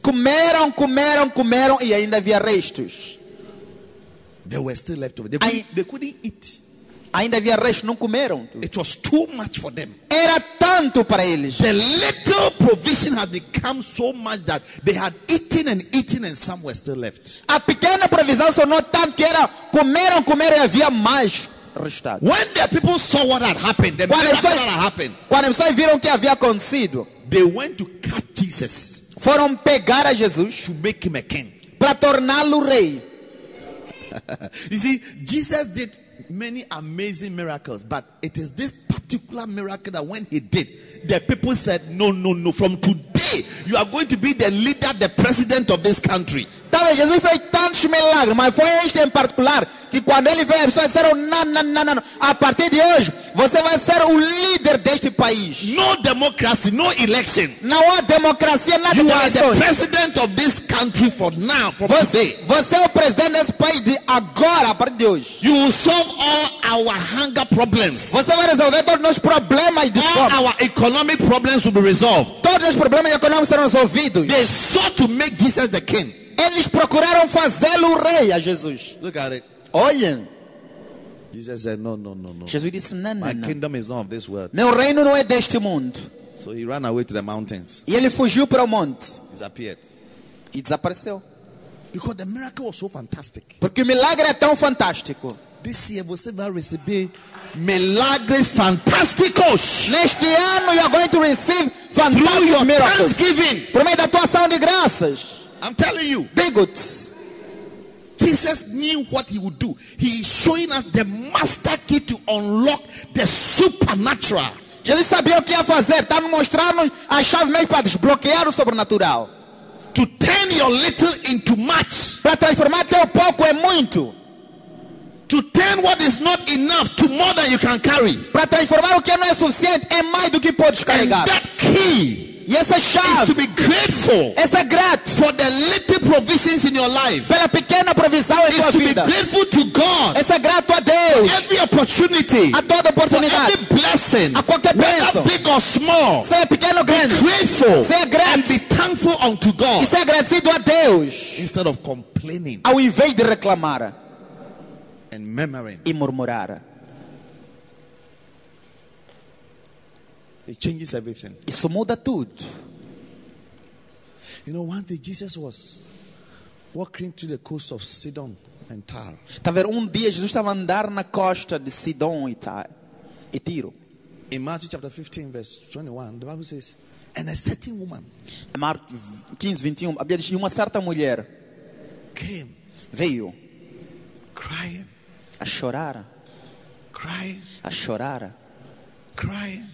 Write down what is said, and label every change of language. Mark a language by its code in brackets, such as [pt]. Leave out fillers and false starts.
[pt] Comeram, e ainda havia restos. [en] There were still leftovers. They couldn't eat. [pt] Ainda havia restos, não comeram. [en] It was too much for them. [pt] Era tanto para eles. [en] The little provision had become so much that they had eaten, and some were still left. [pt] A pequena provisão só não tanto que era comeram, e havia mais restado. [en] When the people saw what had happened, the miracle that had happened. [pt] Quando eles viram o que havia acontecido, [en] they went to catch Jesus. [pt] Foram pegar a Jesus. [en] To make him a king. [pt] Para torná-lo rei. [en] You see, Jesus did many amazing miracles, but it is this particular miracle that when he did, the people said, no, from today you are going to be the leader, the president of this country. [pt] Talvez Jesus fez tantos milagres, mas foi este em particular que quando ele veio, as pessoas disseram, não, a partir de hoje você vai ser o líder deste país. [en] No democracy, no election. [pt] Não há democracia, nada de eleições. [en] You are the president of this country for now, for today. [pt] Você é o presidente desse país de agora, a partir de hoje. [en] You will solve all our hunger problems. [pt] Você vai resolver todos os problemas de [en] fome. All our economic problems will be resolved. [pt] Todos os problemas econômicos serão resolvidos. [en] They sought to make Jesus the king. [pt] Eles procuraram fazê-lo rei a Jesus. [en] Look at it. [pt] Olhem. [en] Jesus said, no. [pt] Jesus disse, não. [en] My kingdom is not of this world. [pt] Meu reino não é deste mundo. [en] So he ran away to the mountains. [pt] E ele fugiu para o monte. [en] Disappeared. [pt] E desapareceu. [en] Because the miracle was so fantastic. [pt] Porque o milagre é tão fantástico. [en] This year [pt] você vai receber milagres fantásticos. Neste ano [en] you are going to receive fantastic miracles. Thanksgiving. [pt] Por meio da tua ação de graças. [en] I'm telling you. Bigot. Jesus knew what he would do. He is showing us the master key to unlock the supernatural. [pt] Jesus sabia o que ia fazer. Está mostrando a chave mesmo para desbloquear o sobrenatural. [en] To turn your little into much. [pt] Para transformar teu pouco em muito. [en] To turn what is not enough to more than you can carry. [pt] Para transformar o que não é suficiente em mais do que podes carregar. [en] And that key, [pt] e essa chave, [en] is to be grateful. [pt] Essa grat [en] for the little provisions in your life. [pt] Pela pequena provisão em tua vida. [en] Is to be grateful to God. [pt] Essa grato a Deus. [en] For every opportunity. [pt] A toda oportunidade. [en] For every blessing. [pt] A qualquer bênção. [en] Big or small. [pt] Seja pequeno ou grande. [en] Be grateful. [pt] Seja grato. [en] And be thankful unto God. [pt] E seja agradecido a Deus. [en] Instead of complaining. [pt] Ao invés de reclamar. [en] And murmuring. [pt] E murmurar. [en] It changes everything. [pt] Isso muda tudo. [en] You know, one day Jesus was walking to the coast of Sidon and Tyre. [pt] Tá vendo? Um dia Jesus estava andando na costa de Sidon e Tiro. [en] In Matthew chapter 15, verse 21, the Bible says, and a certain woman. [pt] Mark 15:21, a Bíblia diz, uma certa mulher [en] came, [pt] veio, [en] crying. [pt] A chorar. [en] Crying. [pt] A chorar. [en] Crying.